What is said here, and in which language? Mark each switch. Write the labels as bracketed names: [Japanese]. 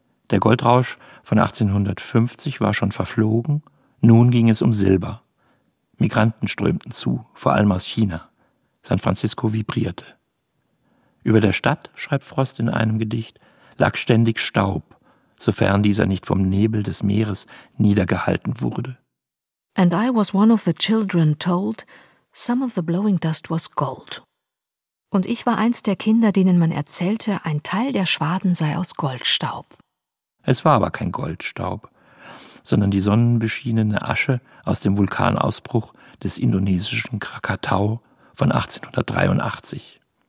[German] Der Goldrausch von 1850 war schon verflogen, nun ging es um Silber. Migranten strömten zu, vor allem aus China. San Francisco vibrierte. Über der Stadt, schreibt Frost in einem Gedicht, lag ständig Staub, sofern dieser nicht vom Nebel des Meeres niedergehalten wurde. [English] And I was one of the children told, some of the blowing dust was gold. [German] Und ich war eins der Kinder, denen man erzählte, ein Teil der Schwaden sei aus Goldstaub. Es war aber kein Goldstaub, sondern die sonnenbeschienene Asche aus dem Vulkanausbruch des indonesischen Krakatau von 1883.